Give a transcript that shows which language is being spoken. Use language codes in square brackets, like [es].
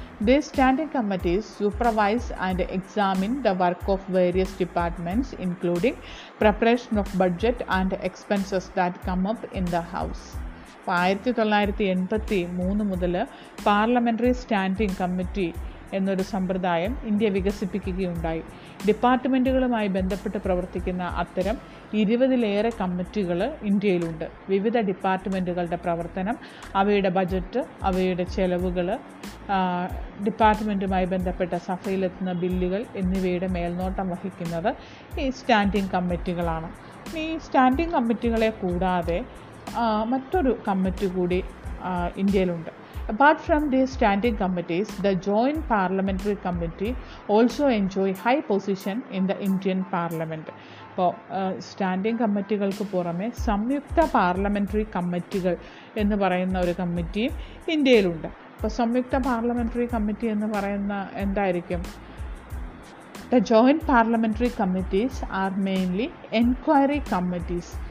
[en] These standing committees supervise and examine the work of various departments, including preparation of budget and expenses that come up in the house. [ml] 1983 മുതൽ parliamentary standing committee എന്നൊരു സമ്പ്രദായം India വികസിപ്പിക്കുകയുണ്ടായി. ഡിപ്പാർട്ട്മെൻറ്റുകളുമായി ബന്ധപ്പെട്ട് പ്രവർത്തിക്കുന്ന അത്തരം 20-ലേറെ കമ്മിറ്റികൾ ഇന്ത്യയിലുണ്ട്. വിവിധ ഡിപ്പാർട്ട്മെൻറ്റുകളുടെ പ്രവർത്തനം, അവയുടെ ബജറ്റ്, അവയുടെ ചെലവുകൾ, ഡിപ്പാർട്ട്മെൻറ്റുമായി ബന്ധപ്പെട്ട സഭയിലെത്തുന്ന ബില്ലുകൾ എന്നിവയുടെ മേൽനോട്ടം വഹിക്കുന്നത് ഈ സ്റ്റാൻഡിംഗ് കമ്മിറ്റികളാണ്. ഈ സ്റ്റാൻഡിംഗ് കമ്മിറ്റികളെ കൂടാതെ മറ്റൊരു കമ്മിറ്റി കൂടി ഇന്ത്യയിലുണ്ട്. [en] Apart from these standing committees, the Joint Parliamentary Committee also enjoy high position in the Indian Parliament. [ml] അപ്പോൾ സ്റ്റാൻഡിംഗ് കമ്മിറ്റികൾക്ക് പുറമെ സംയുക്ത പാർലമെൻ്ററി കമ്മിറ്റികൾ എന്ന് പറയുന്ന ഒരു കമ്മിറ്റിയും ഇന്ത്യയിലുണ്ട്. ഇപ്പോൾ സംയുക്ത പാർലമെൻ്ററി കമ്മിറ്റി എന്ന് പറയുന്ന എന്തായിരിക്കും? [en] The joint parliamentary committees are mainly enquiry committees.